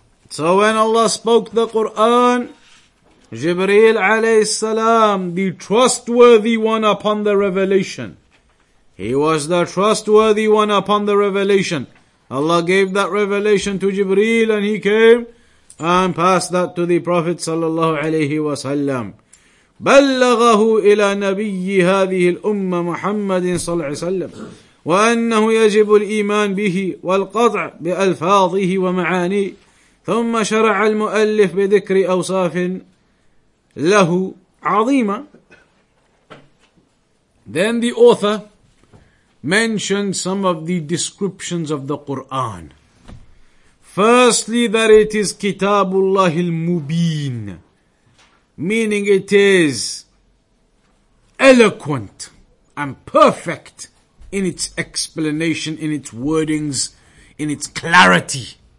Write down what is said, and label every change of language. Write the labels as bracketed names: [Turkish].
[English] So when Allah spoke the Quran, Jibreel [Arabic] عَلَيْهِ السَّلَامُ, [English] the trustworthy one upon the revelation. He was the trustworthy one upon the revelation. Allah gave that revelation to Jibreel and he came and passed that to the Prophet sallallahu alayhi wa sallam. [Arabic] بلغه إلى نبي هذه الأمة محمد صلى الله عليه وسلم وأنه يجب الإيمان به والقطع بألفاظه ومعاني ثم شرع المؤلف بذكر أوصاف له عظيمة. [English] Then the author mentioned some of the descriptions of the Quran. Firstly, that it is Kitabullah al-Mubin, meaning it is eloquent and perfect in its explanation, in its wordings, in its clarity.